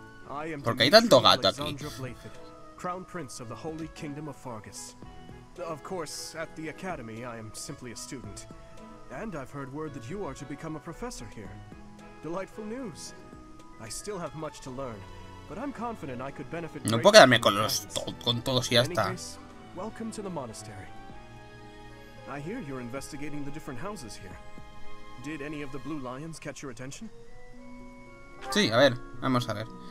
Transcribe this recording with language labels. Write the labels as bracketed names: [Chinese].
[English] I am Alexandra Blathid. Crown Prince of the Holy Kingdom of Fargus. Of course, at the Academy, I am simply a student. And I've heard word that you are to become a professor here. Delightful news. I still have much to learn, but I'm confident I could benefit. [Spanish] No puedo quedarme con todos y ya está. [English] Welcome to the monastery. I hear you're investigating the different houses here. Did any of the blue lions catch your attention? [Spanish] Sí, a ver, vamos a ver.